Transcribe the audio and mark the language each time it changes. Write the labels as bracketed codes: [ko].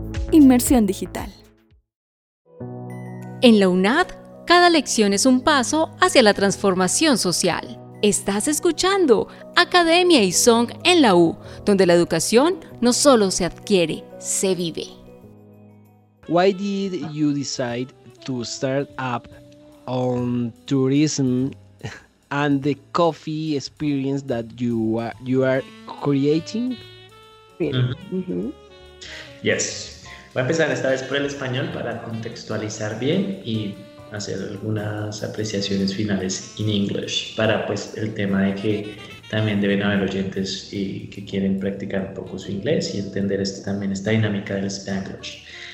[es] Inmersión Digital. En la UNAD, cada lección es un paso hacia la transformación social. Estás escuchando Academia y Song en la U, donde la educación no solo se adquiere, se vive. [en] Why did you decide to start up on tourism and the coffee experience that you are creating? Yes. [es] Voy a empezar esta vez por el español para contextualizar bien y hacer algunas apreciaciones finales in English para pues el tema de que también deben haber oyentes y que quieren practicar un poco su inglés y entender este, también esta dinámica del Spanglish.